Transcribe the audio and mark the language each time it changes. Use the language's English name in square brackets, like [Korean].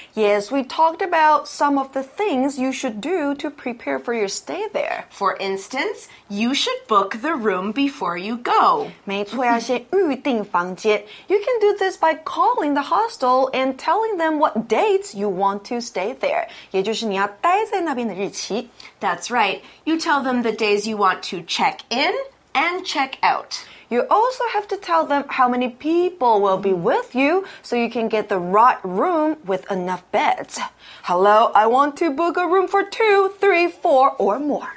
[English] Yes, we talked about some of the things you should do to prepare for your stay there. For instance, you should book the room before you go. [Chinese] 没错，要先预定房间。 [English] You can do this by calling the hostel and telling them what dates you want to stay there. [Chinese] 也就是你要待在那边的日期。 [English] That's right. You tell them the days you want to check in and check out. You also have to tell them how many people will be with you so you can get the right room with enough beds. Hello, I want to book a room for 2, 3, 4 or more.